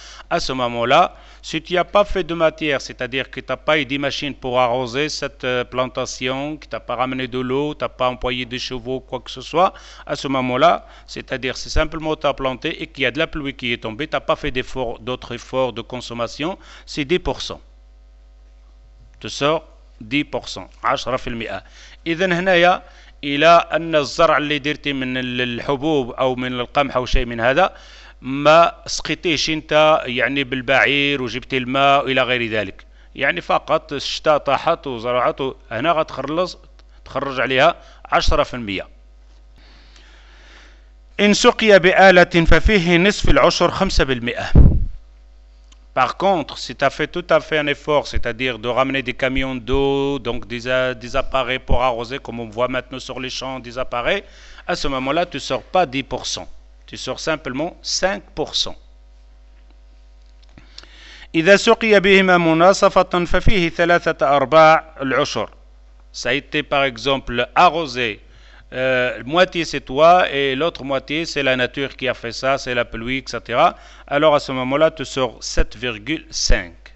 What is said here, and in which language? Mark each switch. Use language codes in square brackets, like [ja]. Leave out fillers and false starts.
[fr] À ce moment-là, si tu n'as pas fait de matière, c'est-à-dire que tu n'as pas eu des machines pour arroser cette plantation, que tu n'as pas ramené de l'eau, tu n'as pas employé des chevaux, quoi que ce soit, à ce moment-là, c'est-à-dire c'est simplement tu as planté et qu'il y a de la pluie qui est tombée, tu n'as pas fait d'autres efforts de consommation, c'est 10%. Tu sors 10%. 10%. [ar] إذن هنايا إلى أن الزرع اللي درتي من الحبوب أو من القمح أو شيء من هذا ما سقيتيش أنت يعني بالبعير وجبتي الماء إلى غير ذلك، يعني فقط الشتاء طاحت وزرعت هنا غتخلص تخرج عليها 10%. إن سقي بآلة ففيه نصف العشر 5%. [fr] Par contre, si tu as fait tout à fait un effort, c'est-à-dire de ramener des camions d'eau, donc des appareils pour arroser, comme on voit maintenant sur les champs, des appareils, à ce moment-là, tu ne sors pas 10%, tu sors simplement 5%. [ar] إذا سقي بهما مناصفة ففيه ثلاثة أرباع العشر. [fr] Ça a été, par exemple, arrosé. Moitié c'est toi et l'autre moitié c'est la nature qui a fait ça, c'est la pluie, etc. Alors à ce moment-là, tu sors 7,5.